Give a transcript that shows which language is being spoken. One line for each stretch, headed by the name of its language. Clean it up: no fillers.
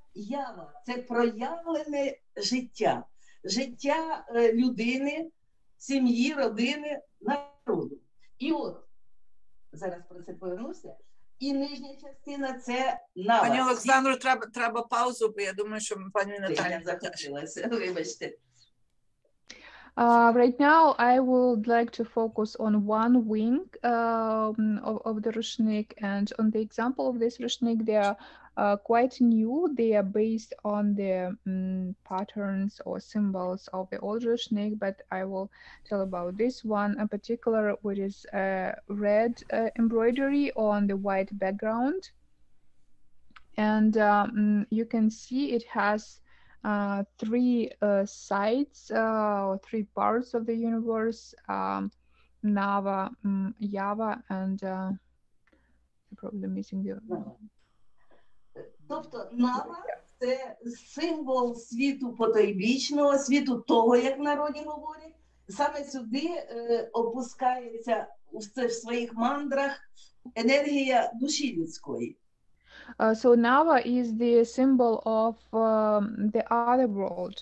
Ukrainian: Ява – це проявлене життя. Життя людини, сім'ї, родини, народу. І от, зараз про це повернуся. І нижня частина – це на пані Олександру, треба паузу, бо я думаю, що пані Наталя захотілася. Вибачте.
English: Right now, I would like to focus on one wing of the rushnik, and on the example of this rushnik, they are quite new. They are based on the patterns or symbols of the old rushnik, but I will tell about this one in particular, which is a red embroidery on the white background, and you can see it has three sides or three parts of the universe, Nava, Ява, and I'm probably missing the other one.
Ukrainian: Тобто Нава – це символ світу потойбічного, світу того, як народні говорять. Саме сюди опускається в своїх мандрах енергія душі людської.
English: So Nava is the symbol of the other world.